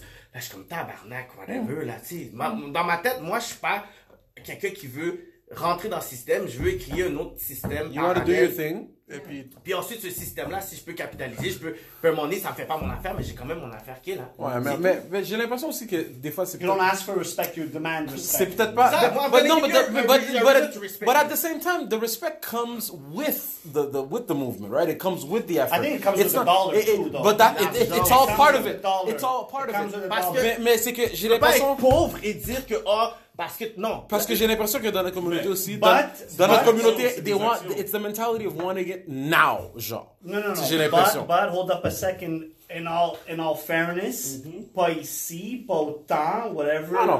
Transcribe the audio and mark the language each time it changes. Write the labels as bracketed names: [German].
[French] Là, je suis comme tabarnak, whatever, là, tu sais. Dans ma tête, moi, je suis pas quelqu'un qui veut rentrer dans le système, je veux créer un autre système. [English] You want to do your thing. [French] Et puis... puis ensuite, ce système-là, si je peux capitaliser, je peux permonner, ça ne fait pas mon affaire, mais j'ai quand même mon affaire qui est là. Ouais, mais j'ai l'impression aussi que des fois, c'est [English] you [French] peut-être... [English] You don't ask for respect, you demand respect. [French] C'est peut-être pas... [English] But at the same time, the respect comes with the movement, right? It comes with the effort. I think it comes with the dollars, too, though. But it's all part of it. It's all part of it. [French] Mais c'est que j'ai l'impression... Tu peux pas être pauvre et dire que... Parce que non. Parce que j'ai l'impression que dans la communauté dans notre communauté, [English] it's the mentality of wanting it now, [French] genre. Non. J'ai l'impression. [English] But hold up a second. In all fairness, [French] pas ici, pas autant, [English] whatever.